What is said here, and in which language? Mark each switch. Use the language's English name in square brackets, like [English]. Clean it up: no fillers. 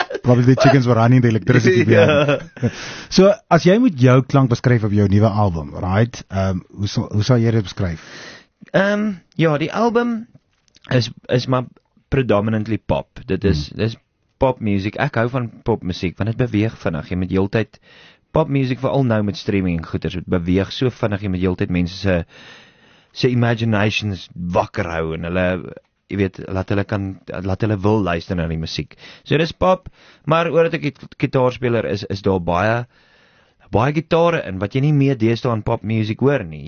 [English] Probably the chickens were running the electricity bill. Yeah. [Afrikaans] So, as jy moet jou klank beskryf op jou nuwe album, right? Hoe sal jy dit beskryf? Ja, die album is maar predominantly pop. Dit is pop music. Ek hou van pop music, want dit beweeg vinnig. Jy moet heeltyd pop music, vooral nou met streaming en goeders, dit beweeg so vinnig. Jy moet heeltyd mense se imaginations wakker hou, en hulle, jy weet, laat hulle wil luister na die muziek. So, dit is pop, maar oor dat ek gitaarspeler is daar baie gitare in, wat jy nie meer deesdae aan pop music hoor nie.